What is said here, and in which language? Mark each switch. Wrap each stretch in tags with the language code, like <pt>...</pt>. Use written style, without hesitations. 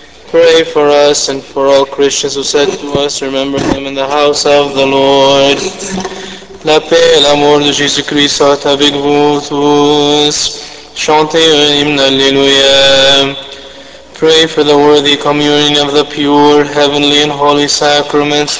<en>Pray for us and for all Christians who said to us, remember them in the house of the Lord.</en> <fr>La paix et l'amour de Jésus-Christ soient avec vous tous. Chantez un hymne, Alléluia.</fr> <en>Pray for the worthy communion of the pure, heavenly and holy sacraments.</en>